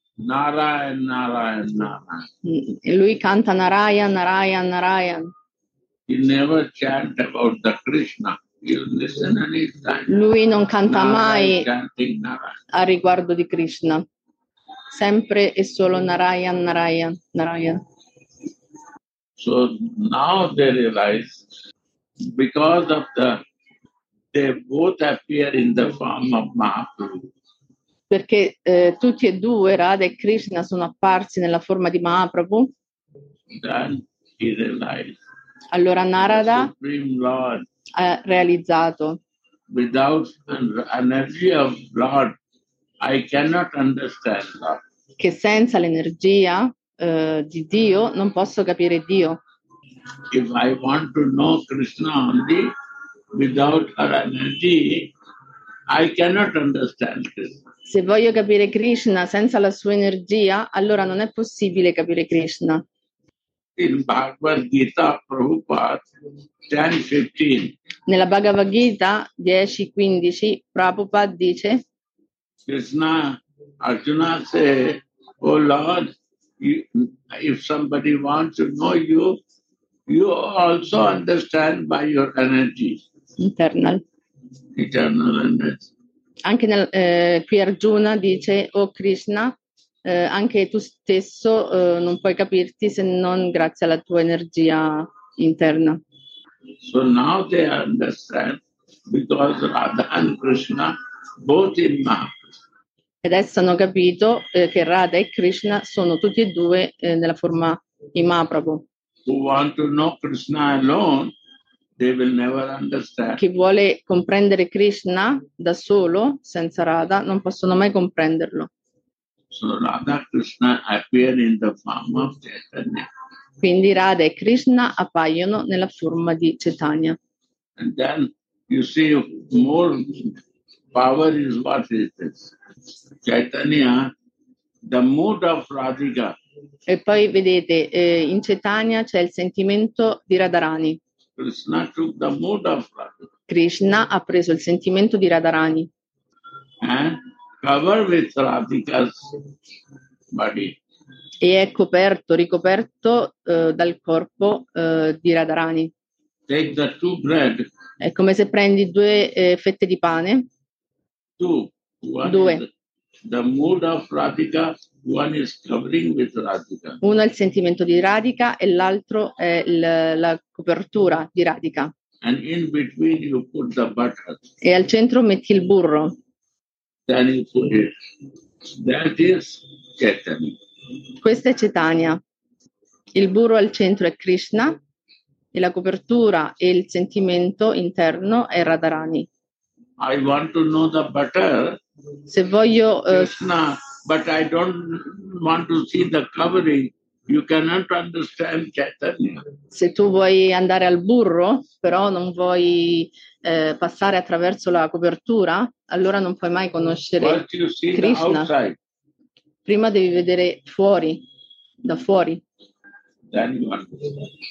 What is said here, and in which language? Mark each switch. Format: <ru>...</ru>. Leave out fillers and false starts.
<it>Narayan, Narayan, Narayan. Lui canta Narayan, Narayan, Narayan.</it> <en>He never chant about the Krishna. You listen anytime.</en> <it>Lui non canta Narayan mai a riguardo di Krishna. Sempre e solo Narayan, Narayan, Narayan.</it> <en>So now they realize because of the they both appear in the form of Mahaprabhu.</en> <it>Perché tutti e due, Radha e Krishna, sono apparsi nella forma di Mahaprabhu.</it> <en>Then he realized,</en> <it>allora Narada</it> <en>Supreme Lord,</en> <it>ha realizzato.</it> <en>Without an energy of Lord, I cannot understand Lord.</en> <it>Che senza l'energia di Dio non posso capire Dio.</it> <en>If I want to know Krishna only, without her energy, I cannot understand Krishna.</en> <it>Se voglio capire Krishna senza la sua energia, allora non è possibile capire Krishna.</it> <en>In Bhagavad Gita, Prabhupada, 10:15.</en> <it>Nella Bhagavad Gita 10:15, Prabhupada dice:</it> <en>Krishna, Arjuna say, oh Lord, if somebody wants to know you, you also understand by your energy. Internal. Eternal energy.</en> <it>Anche nel, qui Arjuna dice, oh Krishna, anche tu stesso non puoi capirti se non grazie alla tua energia interna.</it> <en>So now they understand because Radha and Krishna both in Mahaprabhu.</en> <it>Adesso hanno capito che Radha e Krishna sono tutti e due nella forma di Mahaprabhu.</it> <en>Who want to know Krishna alone? They will never understand.</en> <it>Chi vuole comprendere Krishna da solo, senza Radha, non possono mai comprenderlo.</it> <en>So Radha Krishna appear in the form of Chaitanya.</en> <it>Quindi Radha e Krishna appaiono nella forma di Chaitanya.</it> <en>And then you see more power is what it is. Chaitanya, the mood of Radhika.</en> <it>E poi vedete, in Chaitanya c'è il sentimento di Radharani.</it> <en>Krishna took the mood of Radha.</en> <it>Krishna ha preso il sentimento di Radharani.</it> <en>And covered with Radhika's body.</en> <it>E è coperto, ricoperto dal corpo di Radharani.</it> <en>Take the two bread.</en> <it>È come se prendi due fette di pane.</it> <en>Two. One</en> <it>due.</it> <en>The mood of Radhika, one is covering with Radhika.</en> <it>Uno è il sentimento di Radhika e l'altro è la copertura di Radhika.</it> <en>And in between you put the butter.</en> <it>E al centro metti il burro.</it> <en>Then you put it. That is Chaitanya.</en> <it>Questa è Chaitanya. Il burro al centro è Krishna e la copertura e il sentimento interno è Radharani.</it> <en>I want to know the butter.</en> <it>Se voglio</it> <en>Krishna, but I don't want to see the covering. You cannot understand Chaitanya.</en> <it>Se tu vuoi andare al burro, però non vuoi passare attraverso la copertura, allora non puoi mai conoscere Krishna. Prima devi vedere fuori, da fuori.</it> <en>Then you understand.</en>